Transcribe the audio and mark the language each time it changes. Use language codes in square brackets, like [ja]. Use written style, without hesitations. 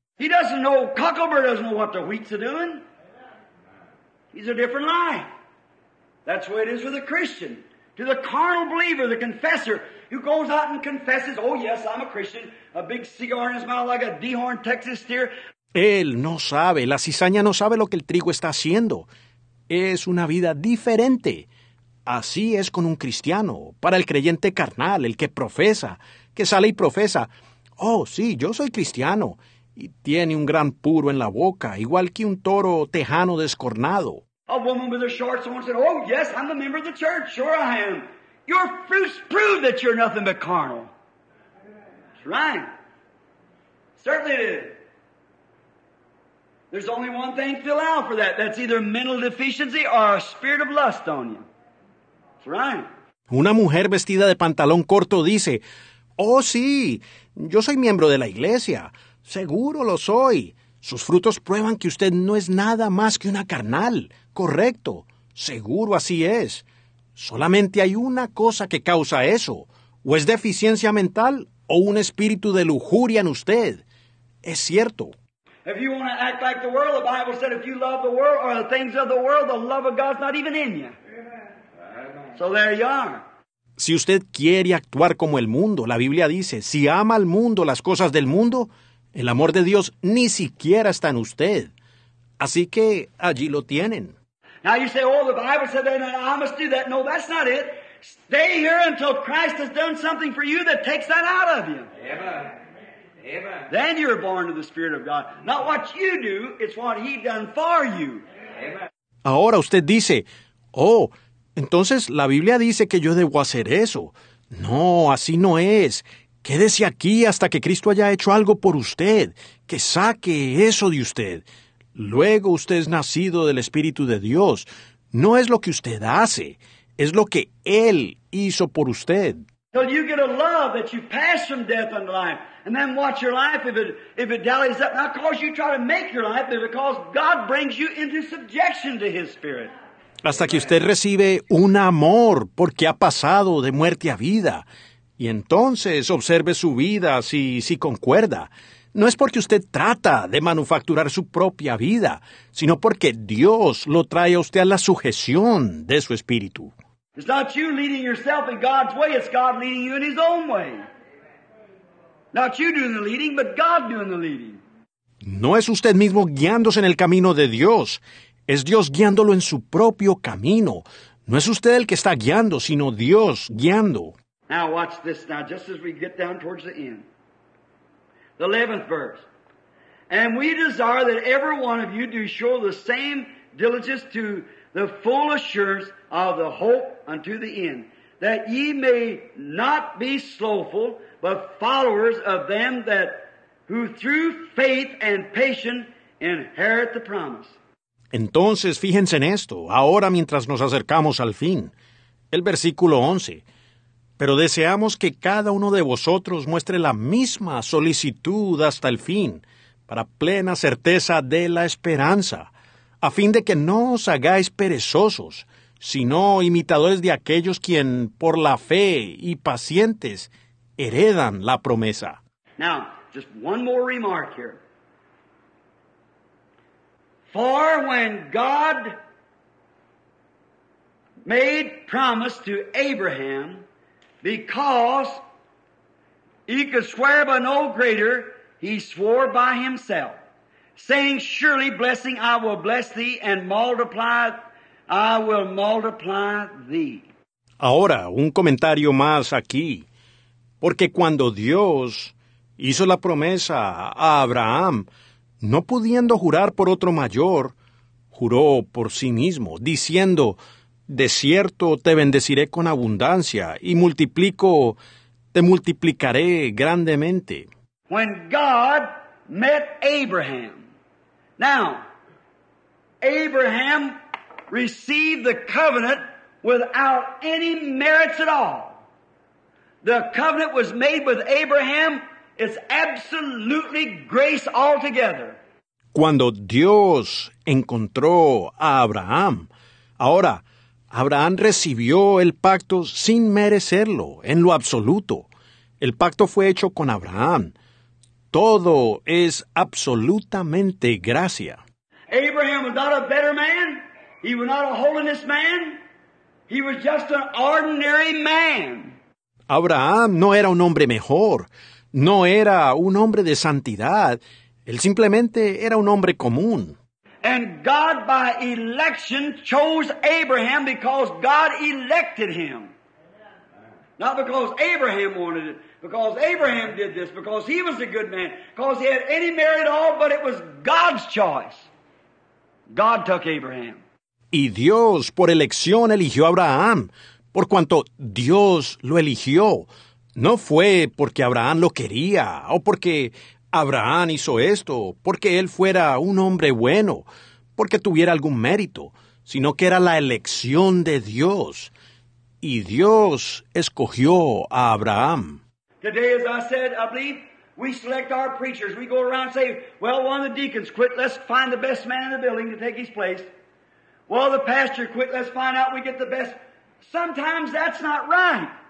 [en] He doesn't know, Cocklebur doesn't know what the wheat's doing. He's a different life. That's the way it is with a Christian. To the carnal believer, the confessor, who goes out and confesses, oh yes, I'm a Christian, a big cigar in his mouth like a dehorned Texas steer. [es] Él no sabe, la cizaña no sabe lo que el trigo está haciendo. Es una vida diferente. Así es con un cristiano, para el creyente carnal, el que profesa, que sale y profesa, oh, sí, yo soy cristiano, y tiene un gran puro en la boca, igual que un toro tejano descornado. [en] A woman with her shorts on said, oh, yes, I'm a member of the church, sure I am. Your fruits prove that you're nothing but carnal. That's right. Certainly it is. There's only one thing to allow for that. That's either mental deficiency or a spirit of lust on you. That's right. [es] Una mujer vestida de pantalón corto dice, oh, sí, yo soy miembro de la iglesia. Seguro lo soy. Sus frutos prueban que usted no es nada más que una carnal. Correcto. Seguro así es. Solamente hay una cosa que causa eso. O es deficiencia mental o un espíritu de lujuria en usted. Es cierto. [en] If you want to act like the world, the Bible said if you love the world or the things of the world, the love of God's not even in you. Amen. So there you are. [es] Si usted quiere actuar como el mundo, la Biblia dice, si ama al mundo las cosas del mundo, el amor de Dios ni siquiera está en usted. Así que allí lo tienen. [en] Now you say, oh, the Bible said that and I must do that. No, that's not it. Stay here until Christ has done something for you that takes that out of you. Amen. Amen. Then you're born of the Spirit of God. Not what you do, it's what He done for you. Amen. [es] Ahora usted dice, oh, entonces la Biblia dice que yo debo hacer eso. No, así no es. Quédese aquí hasta que Cristo haya hecho algo por usted, que saque eso de usted. Luego usted es nacido del Espíritu de Dios. No es lo que usted hace, es lo que Él hizo por usted. [en] Till you get a love that you pass from death unto life, and then watch your life if it dallies up. Not because you try to make your life, but because God brings you into subjection to His Spirit. [es] Hasta que usted recibe un amor porque ha pasado de muerte a vida, y entonces observe su vida si concuerda. No es porque usted trata de manufacturar su propia vida, sino porque Dios lo trae a usted a la sujeción de su Espíritu. [en] It's not you leading yourself in God's way, it's God leading you in His own way. Not you doing the leading, but God doing the leading. [es] No es usted mismo guiándose en el camino de Dios, es Dios guiándolo en su propio camino. No es usted el que está guiando, sino Dios guiando. [en] Now watch this now, just as we get down towards the end. The 11th verse. And we desire that every one of you do show the same diligence to the full assurance of the hope unto the end, that ye may not be slothful, but followers of them that who through faith and patience inherit the promise. [es] Entonces, fíjense en esto, ahora mientras nos acercamos al fin. El versículo 11. Pero deseamos que cada uno de vosotros muestre la misma solicitud hasta el fin, para plena certeza de la esperanza, a fin de que no os hagáis perezosos, sino imitadores de aquellos quien, por la fe y pacientes, heredan la promesa. [en] Now, just one more remark here. For when God made promise to Abraham, because he could swear by no greater, he swore by himself, saying, surely blessing I will bless thee, and multiply I will multiply thee. [es] Ahora, un comentario más aquí. Porque cuando Dios hizo la promesa a Abraham, no pudiendo jurar por otro mayor, juró por sí mismo, diciendo, de cierto te bendeciré con abundancia, y multiplico, te multiplicaré grandemente. [en] When God met Abraham. Now, Abraham received the covenant without any merits at all. The covenant was made with Abraham. It's absolutely grace altogether. [es] Cuando Dios encontró a Abraham, ahora, Abraham recibió el pacto sin merecerlo, en lo absoluto. El pacto fue hecho con Abraham. Todo es absolutamente gracia. [en] Abraham was not a better man. He was not a holiness man. He was just an ordinary man. [es] Abraham no era un hombre mejor. No era un hombre de santidad. Él simplemente era un hombre común. [en] And God by election chose Abraham because God elected him. Not because Abraham wanted it. Because Abraham did this. Because he was a good man. Because he had any merit at all. But it was God's choice. God took Abraham. [es] Y Dios por elección eligió a Abraham. Por cuanto Dios lo eligió. No fue porque Abraham lo quería, o porque Abraham hizo esto, porque él fuera un hombre bueno, porque tuviera algún mérito, sino que era la elección de Dios. Y Dios escogió a Abraham. [en] Today, as I said, I believe, we select our preachers. We go around and say, well, one of the deacons quit, let's find the best man in the building to take his place. Well, the pastor quit, let's find out we get the best. Sometimes that's not right.